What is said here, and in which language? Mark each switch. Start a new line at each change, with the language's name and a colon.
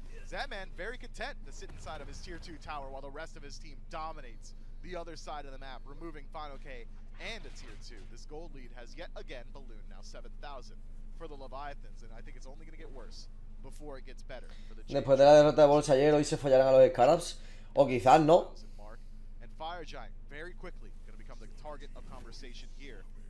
English: Zatman very content to sit inside of his tier 2 tower while the rest of his team dominates the other side of the map, removing Final K and a tier 2. This gold lead has yet again ballooned, now 7,000 for the Leviathans, and I think it's only going to get worse before it gets better.
Spanish: Después de la derrota de Bolsa ayer, hoy se follarán a los Scarabs, o quizás no.
English: And Fire Giant very quickly going to become the target of conversation here.